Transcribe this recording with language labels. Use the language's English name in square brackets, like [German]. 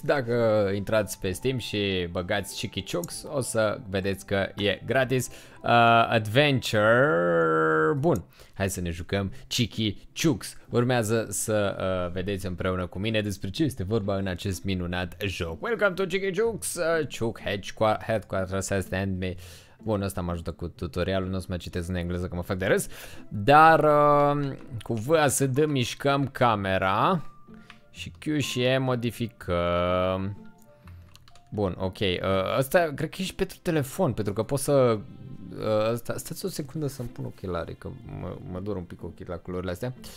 [Romanian] Dacă intrați pe Steam și băgați Cheeky Chooks, o să vedeți că e gratis. Adventure, bun, hai să ne jucăm Cheeky Chooks. Urmează să vedeți împreună cu mine despre ce este vorba în acest minunat joc. [English] Welcome to Cheeky Chooks, Chook Headquarters has sent me. [Romanian] Bun, ăsta mă ajută cu tutorialul, nu o să mai citesc în engleză că mă fac de râs. Dar cu V să dăm, mișcăm camera. Și Q și E modificăm. Bun, ok. Ăsta cred că e și pentru telefon, pentru că pot să... stați o secundă să-mi pun ochelarii, că mă dor un pic ochii la culorile astea.